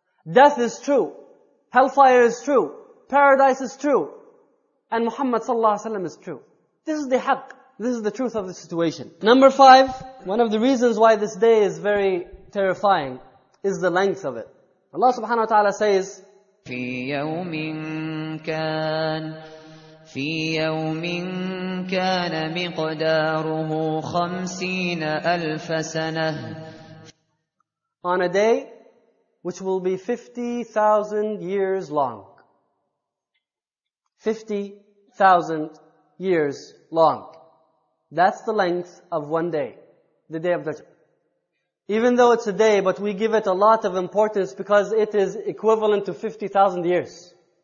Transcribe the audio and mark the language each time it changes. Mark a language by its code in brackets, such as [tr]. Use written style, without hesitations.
[en] Death is true, hellfire is true, paradise is true, and Muhammad sallallahu alayhi wa sallam is true. This is the haq, this is the truth of the situation. Number five, one of the reasons why this day is very terrifying is the length of it. Allah subhanahu wa ta'ala says, [ar] في يوم كان في يوم كان مقداره خمسين ألف سنة. [en] On a day which will be 50,000 years long. 50,000 years long. That's the length of one day, the day of judgment. Even though it's a day, but we give it a lot of importance because it is equivalent to 50,000 years.